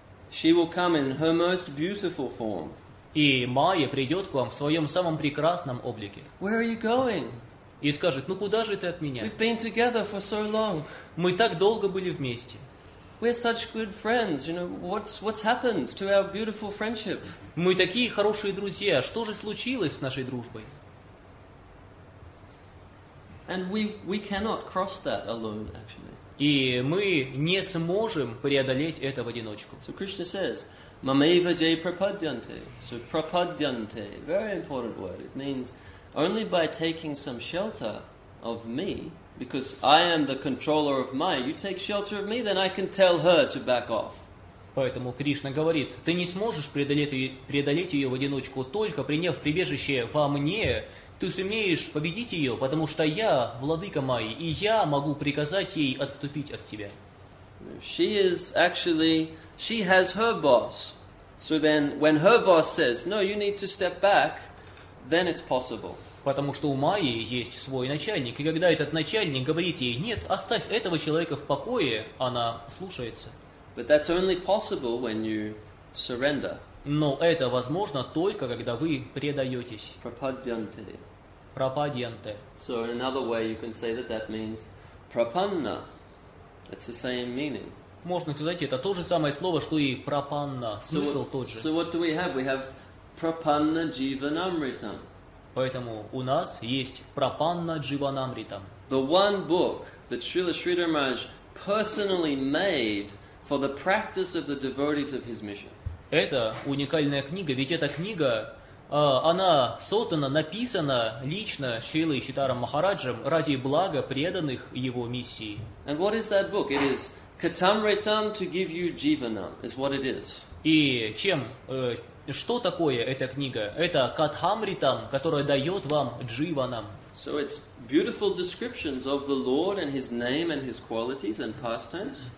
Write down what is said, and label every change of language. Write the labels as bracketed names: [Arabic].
[English] She will come in her most beautiful form. [Russian] И Майя придет к вам в своем самом прекрасном облике. [English] Where are you going? [Russian] И скажет, ну куда же ты от меня? [English] We've been together for so long. [Russian] Мы так долго были вместе. [English] We're such good friends. You know, what's happened to our beautiful friendship? [Russian] Мы такие хорошие друзья. Что же случилось с нашей дружбой? [English] And we cannot cross that alone, actually. [Russian] И мы не сможем преодолеть это в одиночку. [English] So Krishna says, [Sanskrit] "Mameva jay prapadyante." [English] So prapadyante, very important word. It means only by taking some shelter of me, because I am the controller of Maya. You take shelter of me, then I can tell her to back off. [Russian] Поэтому Кришна говорит, ты не сможешь преодолеть ее в одиночку, только приняв прибежище во мне. Ты сумеешь победить ее, потому что я владыка Майи, и я могу приказать ей отступить от тебя. [English] She is actually, she has her boss. So then, when her boss says, no, you need to step back, then it's possible. [Russian] Потому что у Майи есть свой начальник, и когда этот начальник говорит ей, нет, оставь этого человека в покое, она слушается. [English] But that's only possible when you surrender. [Russian] Но это возможно только, когда вы предаетесь. [Sanskrit] Prapadyante. Prapadyante. [English] So in another way you can say that that means prapanna. It's the same meaning. [Russian] Можно сказать, это то же самое слово, что и prapanna. Смысл тот же. [English] So what do we have? We have prapanna jivanamritam. [Russian] Поэтому у нас есть prapanna jivanamritam. [English] The one book that Srila Sridhar Maharaj personally made for the practice of the devotees of his mission. [Russian] Это уникальная книга, ведь эта книга, она создана, написана лично Шрилой Читаром Махараджем ради блага преданных его миссии. [English] And what is that book? It is Katamritam to give you Jivanam, is what it is. [Russian] И чем, что такое эта книга? Это Катхамритам, которая дает вам Дживанам. [English] So it's beautiful descriptions of the Lord and His name and His qualities and pastimes.